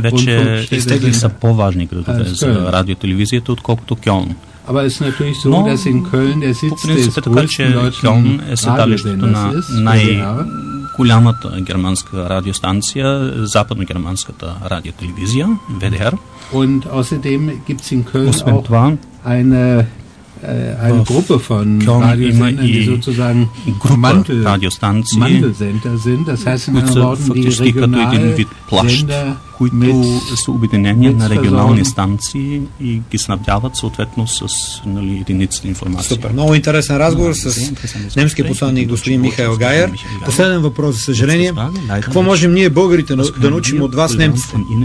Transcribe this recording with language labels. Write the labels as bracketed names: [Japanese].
[Bulgarian] вече са по-важни градове за радиотелевизията, отколкото Кьолн. [German] Aber es ist natürlich so, dass in Köln der Sitz des größten deutschen Radiosenders ist. [Bulgarian] Седалището на най-голямата германска радиостанция, западногерманската радиотелевизия, ВДР. [German] Und außerdem gibt es in Köln auch eine Gruppe von Radiosendern, die sozusagen Mantelsender sind. Das heißt, in anderen Worten, die regionalen Sender, [Bulgarian] които са обединения на регионални станции и ги снабдяват съответно с единицата информация. Супер. Много интересен разговор с немския посланник господин Михаил Гайер. Последен въпрос, за съжаление. Какво можем ние, българите, да научим от вас, немците?